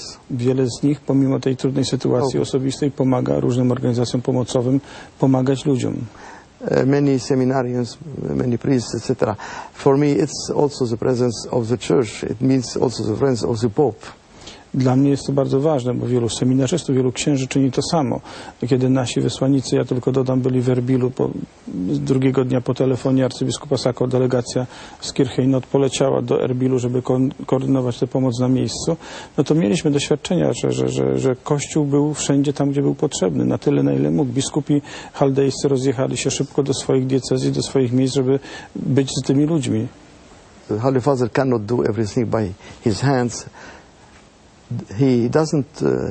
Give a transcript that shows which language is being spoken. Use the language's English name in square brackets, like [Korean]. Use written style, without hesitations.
[Polish] Wiele z nich, pomimo tej trudnej sytuacji osobistej, pomaga różnym organizacjom pomocowym pomagać ludziom. [English] Many seminarians, many priests, etc. For me, it's also the presence of the church. It means also the presence of the Pope. [Polish] Dla mnie jest to bardzo ważne, bo wielu seminarzystów, wielu księży czyni to samo. Kiedy nasi wysłannicy, ja tylko dodam, byli w Erbilu, z drugiego dnia po telefonie arcybiskupa Sacco delegacja z Kirchheimnot poleciała do Erbilu, żeby koordynować tę pomoc na miejscu, no to mieliśmy doświadczenia, że Kościół był wszędzie tam, gdzie był potrzebny, na tyle, na ile mógł. Biskupi chaldejscy rozjechali się szybko do swoich diecezji, do swoich miejsc, żeby być z tymi ludźmi. [English] The Holy Father cannot do everything by his hands. He doesn't.